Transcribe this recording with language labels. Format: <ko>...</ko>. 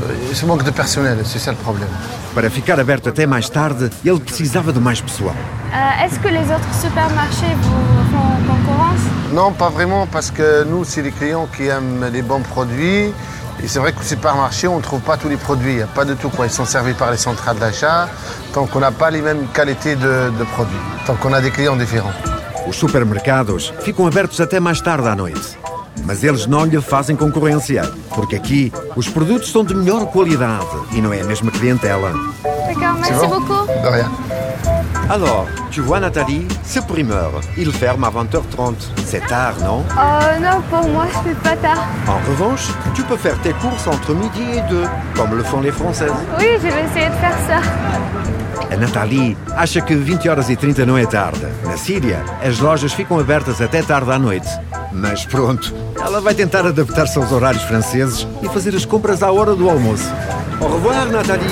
<fr>il se manque de personnel, c'est ça le problème.</fr> <pt>Para ficar aberto até mais tarde, ele precisava de mais pessoal.</pt> <fr>Est-ce que les autres supermarchés vous font concurrence? Non, pas vraiment, parce que nous, c'est les clients qui aiment les bons produits. Et c'est vrai qu'au supermarché, on ne trouve pas tous les produits. Il n'y a pas de tout, quoi. Ils sont servis par les centrales d'achat. Donc, on n'a pas les mêmes qualités de produits. Donc, on a des clients différents.</fr> <pt>Os supermercados ficam abertos até mais tarde à noite. Mas eles não lhe fazem concorrência, porque aqui os produtos são de melhor qualidade e não é a mesma clientela.</pt> <fr>D'accord, merci beaucoup. De rien. Alors, tu vois, Nathalie, ce primeur, il ferme à 20h30. C'est tard, non? Non, pour moi, c'est pas tard. En revanche, tu peux faire tes courses entre midi et 2, comme le font les Françaises. Oui, je vais essayer de faire ça.</fr> <pt>Nathalie, acha que 20h30 não é tarde. Na Síria, as lojas ficam abertas até tarde à noite. Mas pronto, ela vai tentar adaptar-se aos horários franceses e fazer as compras à hora do almoço.</pt> <fr>Au revoir, Nathalie.</fr>